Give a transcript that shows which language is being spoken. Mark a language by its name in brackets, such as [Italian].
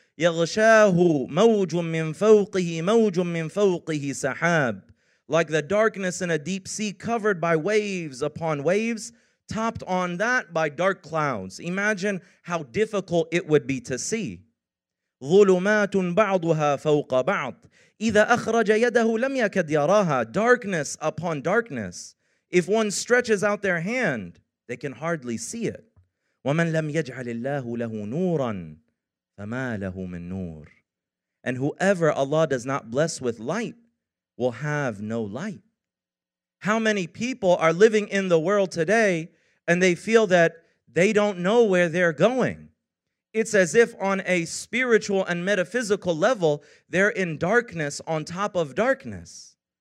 [Arabic] يغشاه موج من فوقه موج من فوقه سحاب. [English] Like the darkness in a deep sea covered by waves upon waves, topped on that by dark clouds. Imagine how difficult it would be to see. [Arabic] ظلمات بعضها فوق بعض إذا أخرج يده لم يكد يراها. [English] Darkness upon darkness. If one stretches out their hand, they can hardly see it. [Arabic] ومن لم يجعل الله له نورا فما له من نور. [English] And whoever Allah does not bless with light will have no light. How many people are living in the world today and they feel that they don't know where they're going? It's as if on a spiritual and metaphysical level, they're in darkness on top of darkness.